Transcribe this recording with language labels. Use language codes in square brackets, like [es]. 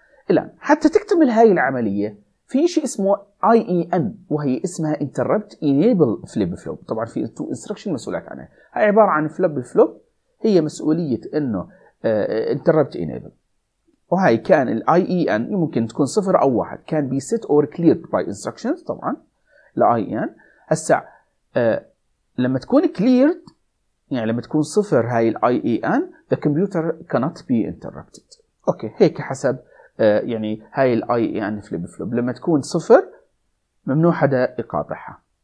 [ar] الآن حتى تكتمل هاي العملية في شيء اسمه IEN، وهي اسمها Interrupt Enable Flip Flop، طبعا في تو انستركشن مسؤولات عنها، هي عبارة عن Flip Flop هي مسؤولية إنه Interrupt Enable. وهي كان الـ IEN يمكن تكون صفر أو واحد. [en] Can be set or cleared by instructions [ar] طبعاً الـ [en] IEN. [ar] هسا لما تكون cleared يعني لما تكون صفر هاي الـ IEN [en] the computer cannot be interrupted. [ar] أوكي هيك حسب يعني هاي الـ IEN flip flop لما تكون صفر ممنوع حدا يقاطعها.